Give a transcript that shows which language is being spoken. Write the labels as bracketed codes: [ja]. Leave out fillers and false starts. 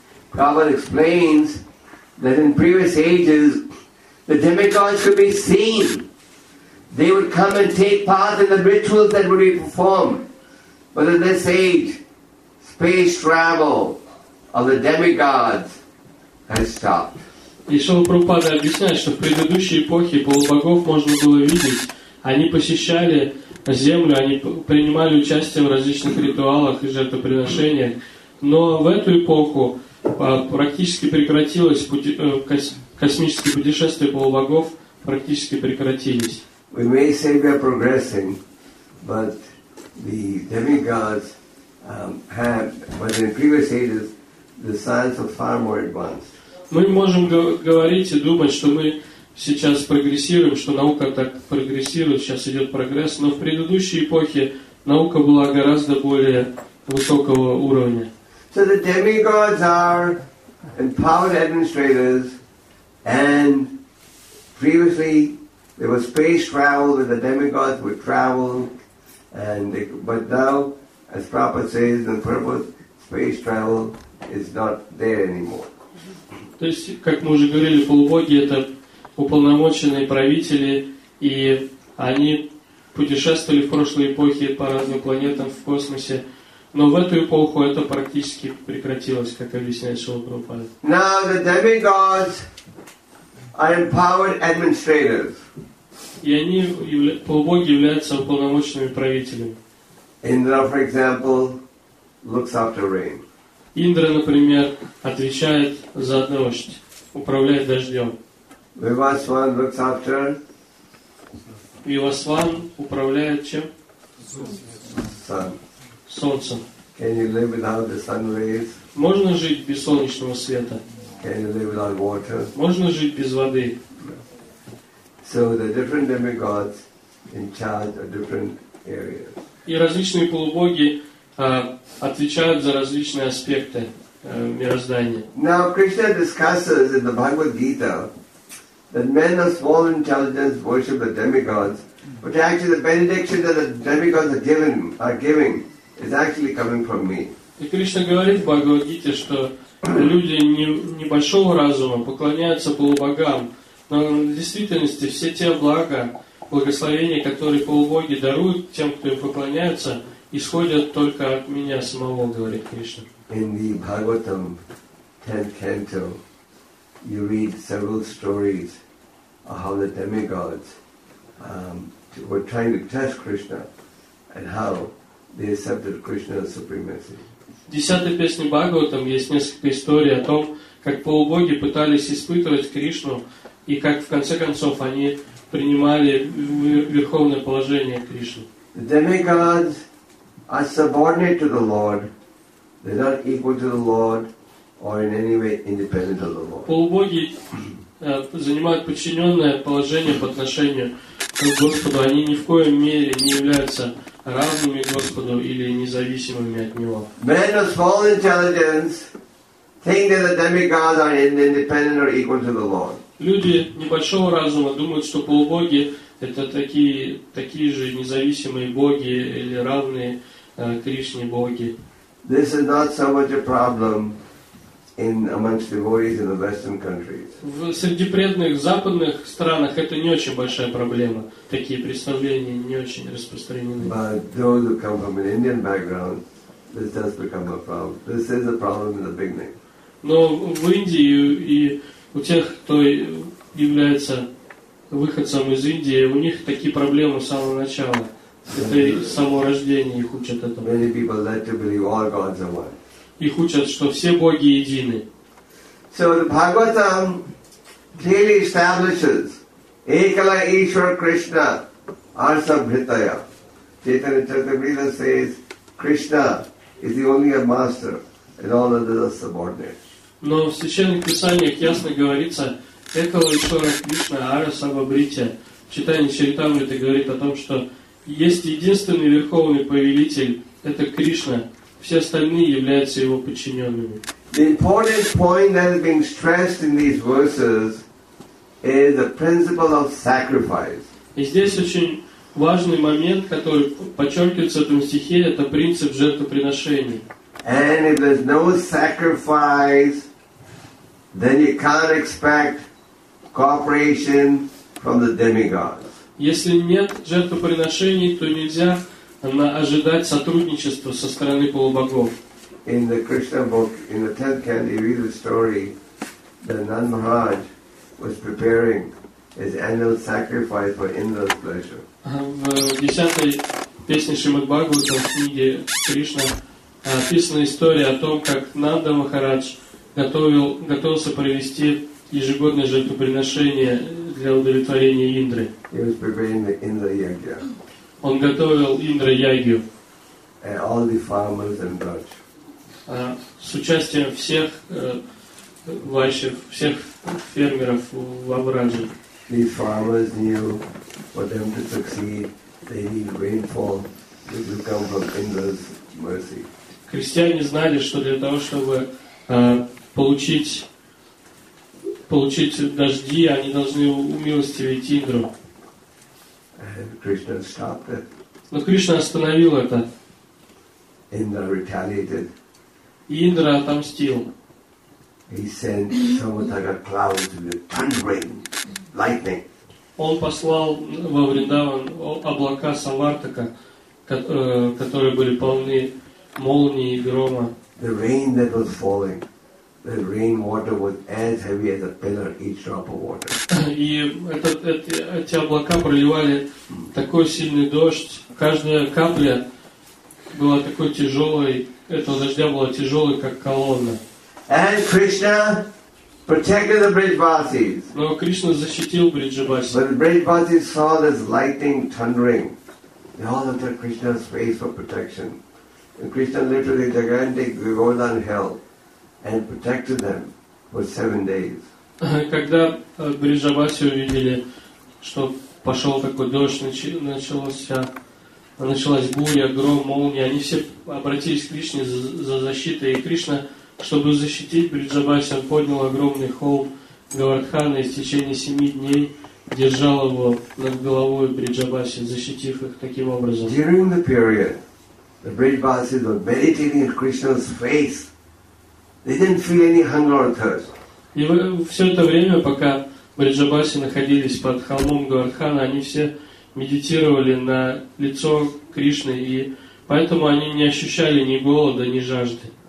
[en] Prabhupada explains that in previous ages the demigods could be seen. They would come and take part in the rituals that would be performed. But in this age, space travel of the demigods has stopped. [ru] И Шрила Прабхупада объясняет, что в предыдущей эпохе полубогов можно было видеть. Они посещали землю, они принимали участие в различных ритуалах и жертвоприношениях. Но в эту эпоху практически прекратилось космические путешествия полубогов практически прекратились. [en] We may say we are progressing, but the demigods have, but in previous ages, the science was far more advanced. [ru] Мы можем говорить и думать, что мы сейчас прогрессируем, что наука так прогрессирует, сейчас идет прогресс, но в предыдущей эпохе наука была гораздо более высокого уровня. [en] So the demigods are empowered administrators, and previously there was space travel, where the demigods would travel, and they, but now, as Prabhupada says, in purpose, space travel is not there anymore. [ru] То есть, как мы уже говорили, полубоги — это уполномоченные правители, и они путешествовали в прошлой эпохе по разным планетам в космосе, но в эту эпоху это практически прекратилось, как объясняет Шрила Прабхупада. [en] Now the demigods are empowered administrators. [ru] И они, полубоги, являются уполномоченными правителями. [en] Indra, for example, looks after rain. [ru] Индра, например, отвечает за дождь, управляет дождем. [en] Вивасван looks after. [ru] Вивасван управляет чем? [en] Sun. [ru] Солнцем. [en] Can you live without the sun rays? [ru] Можно жить без солнечного света? [en] Can you live without water? [ru] Можно жить без воды? [en] So the different demigods in charge of different areas. [ru] И различные полубоги отвечают за различные аспекты мироздания. [en] Now Krishna discusses in the Bhagavad Gita that men of small intelligence worship the demigods, but actually the benediction that the demigods are giving is actually coming from me. [ru] И Кришна говорит в Бхагавад Гите, что люди небольшого разума поклоняются полубогам, но в действительности все те благословения, которые полубоги даруют тем, кто им поклоняется, исходят только от меня самого, говорит Кришна. [en] In the Bhagavatam, 10th canto, you read several stories of how the demigods were trying to test Krishna and how they accepted Krishna's supremacy. [ru] В 10-й песне Бхагаватам есть несколько историй о том, как полубоги пытались испытывать Кришну и как в конце концов они принимали верховное положение Кришны. [en] The demigods are subordinate to the Lord. They're not equal to the Lord or in any way independent of the Lord. [ru] Полубоги занимают подчиненное положение по отношению к Господу. Они ни в коем мере не являются равными Господу или независимыми от Него. [en] Men of small intelligence think that the demigods are independent or equal to the Lord. [ru] Люди небольшого разума думают, что полубоги — это такие же независимые боги или равные Кришне боги. [en] This is not so much a problem in amongst devotees in the Western countries. [ru] В среди преданных западных странах это не очень большая проблема. Такие представления не очень распространены. [en] But those who come from an Indian background, this does become a problem. This is a problem in the beginning. [ru] Но в Индии и у тех, кто является выходцем из Индии, у них такие проблемы с самого начала. Это с самого рождения их учат этому. [en] Many people like to believe all gods are one. [ru] Их учат, что все боги едины. [en] So the Bhagavatam clearly establishes Ekala Ishwar Krishna Arsabhritaya. Chaitanya Charitamrita says Krishna is the only master and all others are subordinate. [ru] Но в Священных Писаниях ясно говорится «Экала Ишвара Кришна Ара Сабабрития». В читании Чаритамриты говорит о том, что есть единственный Верховный Повелитель – это Кришна. Все остальные являются Его подчиненными. [en] The important point that is being stressed in these verses is the principle of sacrifice. [ru] И здесь очень важный момент, который подчеркивается в этом стихе – это принцип жертвоприношения. [en] And if there's no sacrifice, then you can't expect cooperation from the demigods. [ru] Если нет жертвоприношений, то нельзя ожидать сотрудничества со стороны полубогов. [en] In the Krishna book, in the 10th canto, you read the story that Nand Maharaj was preparing his annual sacrifice for Indra's pleasure. [ru] В 10-й песне Шримад-Бхагаватам, в книге Кришна, описана история о том, как Нанда Махарадж готовился провести ежегодное жертвоприношение для удовлетворения Индры. [en] He was preparing the Indra Yagya. [ru] Он готовил Индра Ягью. [en] And all the farmers and Braj. [ru] С участием всех ващих, всех фермеров в Абрадже. [en] These farmers knew for them to succeed, they need rainfall to come from Indra's mercy. [ru] Крестьяне знали, что для того, чтобы получить дожди, они должны умилостивить Индру. [en] And Krishna stopped it. [ru] Но Кришна остановил это. [en] Indra retaliated. [ru] И Индра отомстил. [en] He sent Samudra clouds with thundering lightning. [ru] Он послал во Вриндаван облака Самартака, которые были полны молнии и грома. [en] The rain that was falling, the rain water was as heavy as a pillar, each drop of water. [ru] И эти облака проливали такой сильный дождь, каждая капля была такой тяжелой, этого дождя была тяжелой, как колонна. [en] And Krishna protected the Brijvasis. [ru] Но Кришна защитил Бриджавасис. [en] When the Brijvasis saw this lightning thundering, they all entered Krishna's face for protection. And Krishna lifted the gigantic Govardhan hill and protected them for 7 days. [ru] Когда Бриджаваси увидели, что пошел такой дождь, началась буря, гром, молния, они все обратились к Кришне за защитой, и Кришна, чтобы защитить Бриджаваси, он поднял огромный холм Говардхана и в течение 7 дней держал его над головой Бриджаваси, защитив их таким образом. [en] During the period, the Бриджавасис were meditating at Krishna's face. They didn't feel any hunger or thirst. [ru] И все это время, пока Бриджаваси находились под холмом Говардхана, они все медитировали на лицо Кришны, и поэтому они не ощущали ни голода, ни жажды.